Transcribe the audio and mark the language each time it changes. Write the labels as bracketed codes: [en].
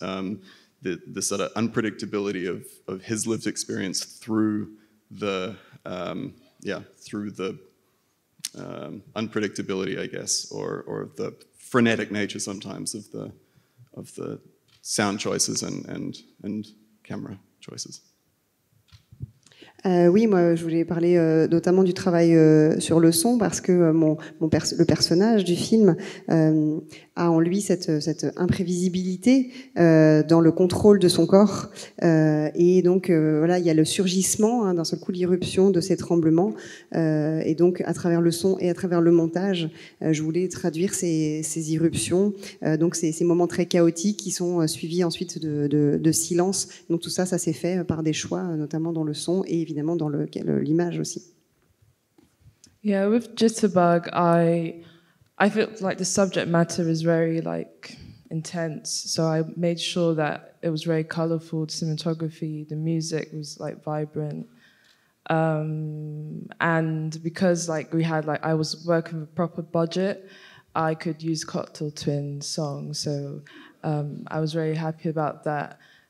[en] The sort of unpredictability of his lived experience through the unpredictability, I guess, or the frenetic nature sometimes of the sound choices and camera choices. [fr] Oui, moi, je voulais parler notamment du travail sur le son, parce que le personnage du film a en lui cette imprévisibilité dans le contrôle de son corps. Et donc, voilà, il y a le surgissement, hein, d'un seul coup, l'irruption de ces tremblements. Et donc, à travers le son et à travers le montage, je voulais traduire ces irruptions. Donc, ces moments très chaotiques qui sont suivis ensuite de silence. Donc, tout ça s'est fait par des choix, notamment dans le son et évidemment dans l'image aussi. [en] Yeah, with Jitterbug, I feel like the subject matter is very like intense, so I made sure that it was very colorful, the cinematography, the music was like vibrant, and because like we had like I was working with a proper budget, I could use Cocteau Twins songs, so I was very happy about that.